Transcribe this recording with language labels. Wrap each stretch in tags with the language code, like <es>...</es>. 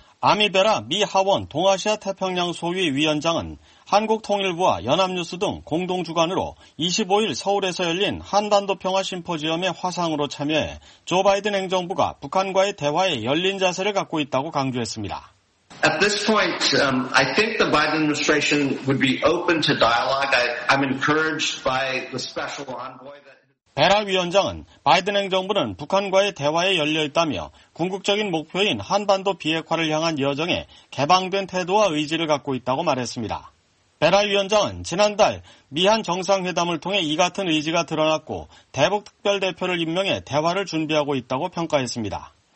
<ko>아미베라 미 하원 동아시아 태평양 소위위원장은 한국통일부와 연합뉴스 등 공동주관으로 25일 서울에서 열린 한반도 평화 심포지엄의 화상으로 참여해 조 바이든 행정부가 북한과의 대화에 열린 자세를 갖고 있다고 강조했습니다.</ko> <en>At this point, I think the Biden administration would be open to dialogue. I'm encouraged by the special envoy that</en> <ko>베라 위원장은 바이든 행정부는 북한과의 대화에 열려있다며 궁극적인 목표인 한반도 비핵화를 향한 여정에 개방된 태도와 의지를 갖고 있다고 말했습니다. 베라 위원장은 지난달 미한 정상회담을 통해 이 같은 의지가 드러났고 대북특별대표를 임명해 대화를 준비하고 있다고 평가했습니다.</ko>